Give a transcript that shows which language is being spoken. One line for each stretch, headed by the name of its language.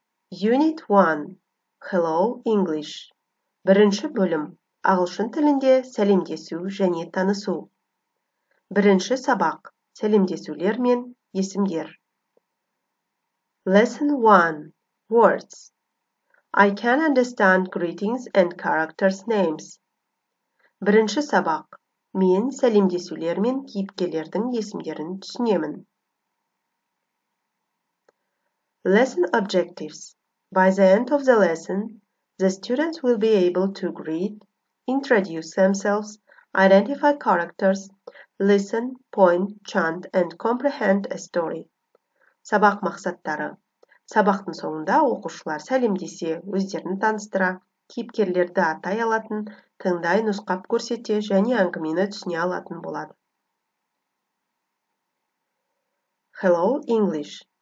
English: Unit 1 – Hello English.
Kazakh: Бірінші бөлім – ағылшын тілінде сәлемдесу және танысу. Бірінші сабақ – сәлемдесулер мен есімдер.
English: Lesson 1 – Words. I can understand greetings and characters' names.
Kazakh: Бірінші сабақ. Мен сәлемдесулер мен кейіпкерлердің есімдерін түсінемін.
English: Lesson objectives. By the end of the lesson, the students will be able to greet, introduce themselves, identify characters, listen, point, chant, and comprehend a story.
Kazakh: Сабақ мақсаттары. Сабақтың соңында оқушылар сәлемдесе, өздерін таныстыра, кейіпкерлерді атай алатын, тыңдай нұсқап көрсете және әңгімені түсіне алатын болады.
English: Hello English.